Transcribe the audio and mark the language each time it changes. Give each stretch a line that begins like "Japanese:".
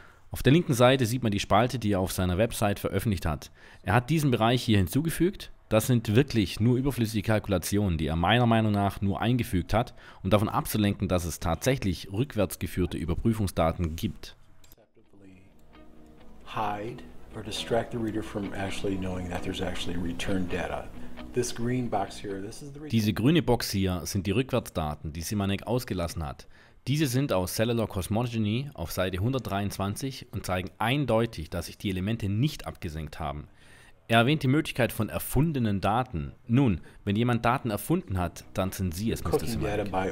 German: Auf der linken Seite sieht man die Spalte, die er auf seiner Website veröffentlicht hat. Er hat diesen Bereich hier hinzugefügt. Das sind wirklich nur überflüssige Kalkulationen, die er meiner Meinung nach nur eingefügt hat, um davon abzulenken, dass es tatsächlich rückwärts geführte Überprüfungsdaten gibt.
English: Hide or distract the reader from actually knowing that there's actually return data.
German: Diese grüne Box hier sind die Rückwärtsdaten, die Szymanek ausgelassen hat. Diese sind aus Cellular Cosmogony auf Seite 123 und zeigen eindeutig, dass sich die Elemente nicht abgesenkt haben. Er erwähnt die Möglichkeit von erfundenen Daten. Nun, wenn jemand Daten erfunden hat, dann sind sie es, Mr. Szymanek.